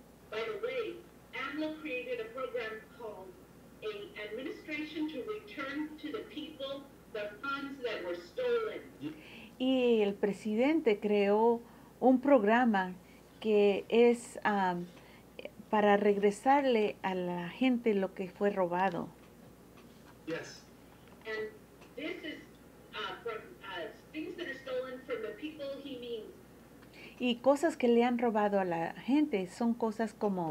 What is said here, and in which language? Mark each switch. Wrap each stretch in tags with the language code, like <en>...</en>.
<en>By the way, AMLO created a program called an administration to return to the people the funds that were stolen.</en> <es>Y el presidente creó un programa que es para regresarle a la gente lo que fue robado.</es> <en>Yes. And this is from things that are stolen from the people he means.</en> <es>Y cosas que le han robado a la gente son cosas como</es>